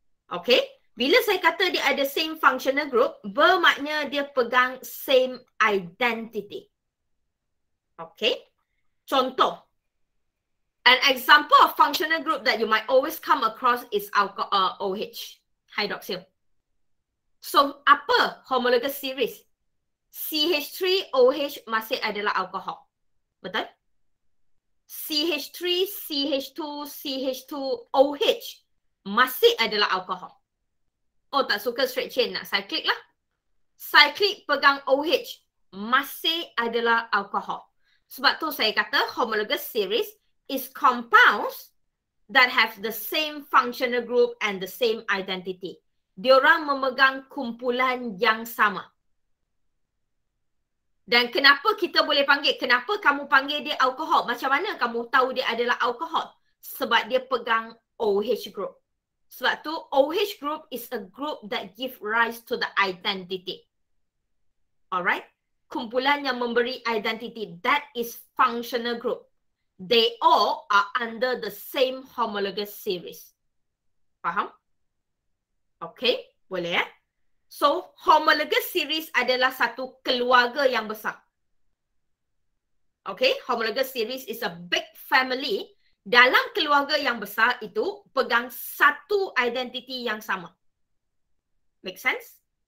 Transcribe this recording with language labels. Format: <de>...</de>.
<ms>Okay? Bila saya kata dia ada same functional group, bermakna dia pegang same identity. Okay? Contoh.</ms> <en>An example of functional group that you might always come across is alcohol, OH, hydroxyl.</en> <ms>So, apa homologous series? CH3OH masih adalah alcohol. Betul? CH3, CH2, CH2OH masih adalah alcohol. Oh, tak suka straight chain, nak cyclic lah. Cyclic pegang OH masih adalah alcohol. Sebab tu saya kata</ms> <en>homologous series is compounds that have the same functional group and the same identity.</en> <ms>Diorang memegang kumpulan yang sama. Dan kenapa kita boleh panggil, kenapa kamu panggil dia alkohol? Macam mana kamu tahu dia adalah alkohol? Sebab dia pegang OH group. Sebab tu</ms> <en>OH group is a group that give rise to the identity. Alright?</en> <ms>Kumpulan yang memberi identity,</ms> <en>that is functional group. They all are under the same homologous series.</en> <ms>Faham? Okay, boleh ya? Eh? So, homologous series adalah satu keluarga yang besar. Okay,</ms> <en>homologous series is a big family.</en> <ms>Dalam keluarga yang besar itu, pegang satu identity yang sama.</ms> <en>Make sense?</en>